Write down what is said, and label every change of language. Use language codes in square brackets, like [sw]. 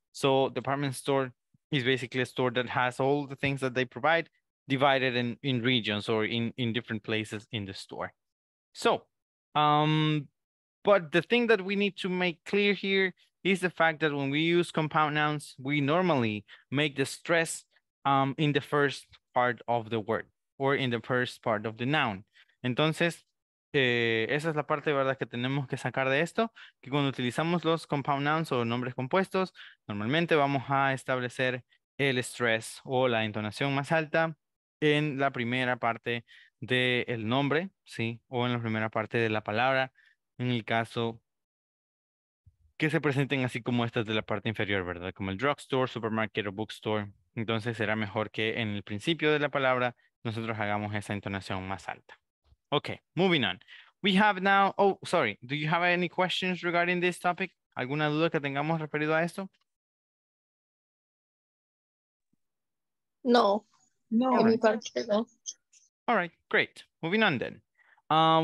[en] So department store is basically a store that has all the things that they provide divided in regions or in different places in the store. So, but the thing that we need to make clear here is the fact that when we use compound nouns, we normally make the stress in the first part of the word or in the first part of the noun. [es] Entonces, esa es la parte, ¿verdad?, que tenemos que sacar de esto, que cuando utilizamos los compound nouns o nombres compuestos, normalmente vamos a establecer el stress o la entonación más alta en la primera parte del nombre, ¿sí? O en la primera parte de la palabra, en el caso que se presenten así como estas de la parte inferior, ¿verdad? Como el drugstore, supermarket o bookstore. Entonces será mejor que en el principio de la palabra nosotros hagamos esa entonación más alta. [en] Okay, moving on. We have now, oh, sorry, do you have any questions regarding this topic? [es] ¿Alguna duda que tengamos referido a esto? No. No, [en] all right. Great. Moving on then.